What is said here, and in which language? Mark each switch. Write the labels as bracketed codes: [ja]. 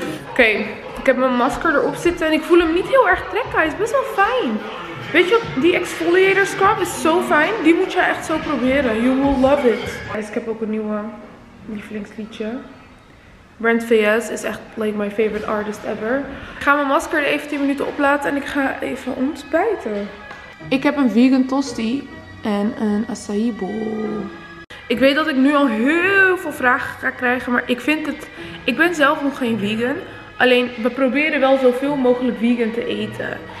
[nl] Oké, ik heb mijn masker erop zitten en ik voel hem niet heel erg trekken. Hij is best wel fijn. Weet je, die exfoliator scrub is zo fijn. Die moet je echt zo proberen. [en] You will love it. [nl] Guys, ik heb ook een nieuwe lievelingsliedje. Brent VS is echt [en] like my favorite artist ever. [nl] Ik ga mijn masker even 10 minuten oplaten en ik ga even ontbijten. Ik heb een vegan tosti en een acai bowl. Ik weet dat ik nu al heel veel vragen ga krijgen, maar ik vind het... Ik ben zelf nog geen vegan. Alleen, we proberen wel zoveel mogelijk vegan te eten.